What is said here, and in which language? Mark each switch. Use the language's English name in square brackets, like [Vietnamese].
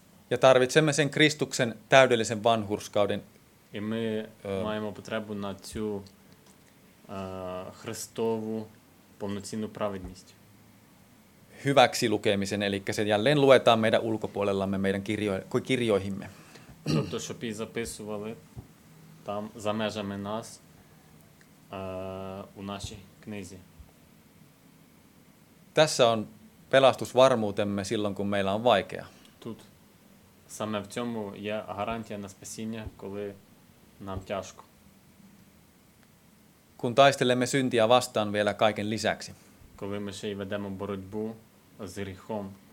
[Finnish] Ja tarvitsemme sen Kristuksen täydellisen vanhurskauden. [Ukrainian] І ми маємо потребу на цю Христову повноцінну праведність. [Finnish] Hyväksi lukemisen, eli se jälleen luetaan meidän ulkopuolellamme, meidän kirjoihimme. [Ukrainian] Тобто, щоб її записували там за межами нас, нашій книзі. [Finnish] Tässä on pelastusvarmuutemme silloin, kun meillä on vaikea. [Ukrainian] Тут саме в цьому є гарантія на спасіння, коли нам тяжко. [Finnish] Kun taistelemme syntiä vastaan vielä kaiken lisäksi. [Ukrainian] Коли ми ще й ведемо боротьбу з гріхом.